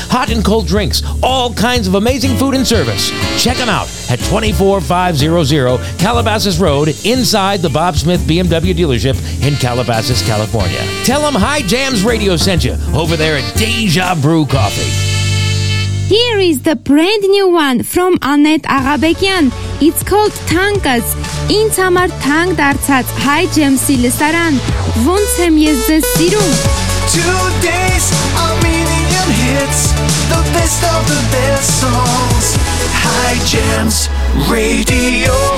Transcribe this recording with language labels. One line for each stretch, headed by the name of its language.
English: Hot and cold drinks, all kinds of amazing food and service. Check them out at 24500 Calabasas Road inside the Bob Smith BMW dealership in Calabasas, California. Tell them High Jams Radio sent you over there at Deja Brew Coffee. Here is the brand new one from Annette Arabekian. It's called Tankas.
Armenian: Ինձ համար թանկ դարձած High Gems-ի լսարան, ոնց եմ ես ձեզ սիրում.
English: Today's Armenian hits, the best of the best songs, High Gems Radio.